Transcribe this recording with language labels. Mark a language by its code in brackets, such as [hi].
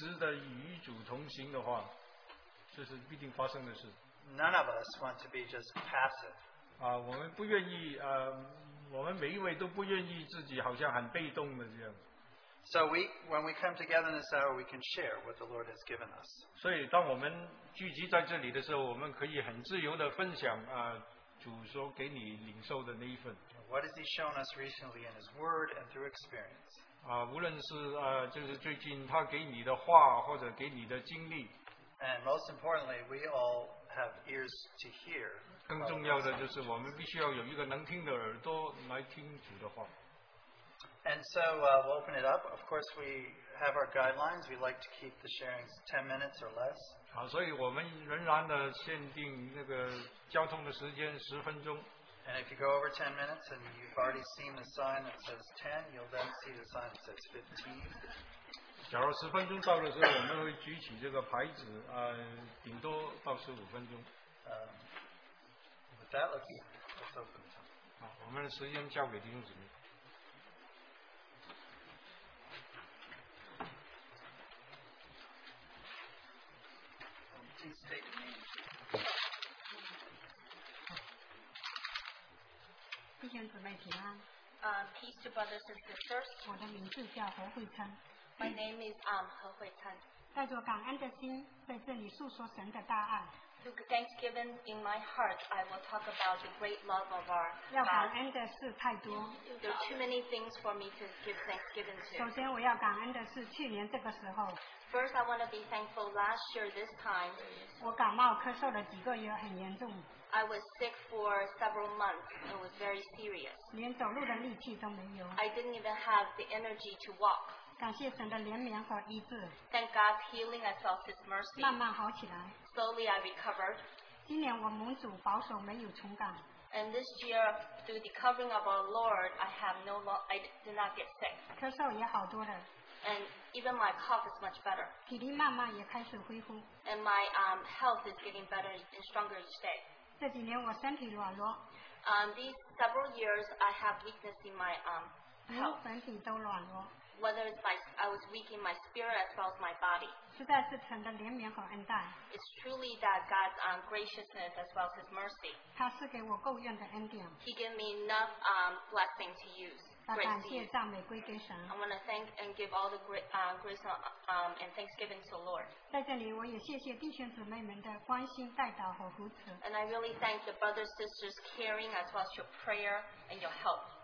[zh] 就是假如你真的一直的与主同行的话, 这是必定发生的事。 [en] None of us want to be just passive. [zh] 我们不愿意, 我们每一位都不愿意自己好像很被动的这样。 [en] So we, when we come together in this hour, we can share what the Lord has given us. [zh] 所以当我们聚集在这里的时候, 我们可以很自由地分享, 主说给你领受的那一份。 [en] What has He shown us recently in His Word and through experience? [zh] 无论是, 就是最近他给你的话, 或者给你的经历, [en] and most importantly, we all have ears to hear. [zh] 更重要的就是我们必须要有一个能听的耳朵来听主的话。 [en] And so we'll open it up. Of course, we have our guidelines. We like to keep the sharings 10 minutes or less. [zh] 好, 所以我们仍然的限定那个交通的时间10分钟。 [en] And if you go over 10 minutes and you've already seen the sign that says 10, you'll then see the sign that says 15. [zh] 假如10分钟到的时候,我们会举起这个牌子, 顶多到15分钟。 [en] With that, let's open it up. [zh] 好, 我们的时间交给弟兄姊妹。弟兄姊妹平安。 [en] Peace to brothers and sisters. [zh] 我的名字叫何慧琛。 [en] My name is He Huichan. [zh] 带着感恩的心在这里述说神的大爱。 [en] Through thanksgiving in my heart, I will talk about the great love of our God. [zh] 要感恩的事太多。 [en] There are too many things for me to give thanksgiving to. [zh] 首先我要感恩的是去年这个时候。 [en] First, I want to be thankful last year this time. [zh] 我感冒咳嗽了几个月，很严重。 [en] I was sick for several months. It was very serious. [zh] 连走路的力气都没有。 [en] I didn't even have the energy to walk. [zh] 感谢神的怜悯和医治。 [en] Thank God's healing, I felt His mercy. [zh] 慢慢好起来。 [en] Slowly I recovered. [zh] 今年我蒙主保守没有重感。 [en] And this year, through the covering of our Lord, I have no long, I did not get sick. [zh] 咳嗽也好多了。 [en] And even my cough is much better. [zh] 体力慢慢也开始恢复。 [en] And my health is getting better and stronger each day. [zh] 这几年我身体软弱。 [en] These several years, I have weakness in my health. [zh] 整体都软弱。 [en] Whether it's my, I was weak in my spirit as well as my body. [zh] 实在是神的怜悯和恩待。 [en] It's truly that God's graciousness as well as His mercy. [zh] 他赐给我够用的恩典。 [en] He gave me enough blessing to use. [zh] 把感谢赞美归给神。 [en] I want to thank and give all the grace and thanksgiving to the Lord. [zh] 在这里我也谢谢弟兄姊妹们的关心、带导和扶持。 [en] And I really thank the brothers and sisters caring as well as your prayer and your help.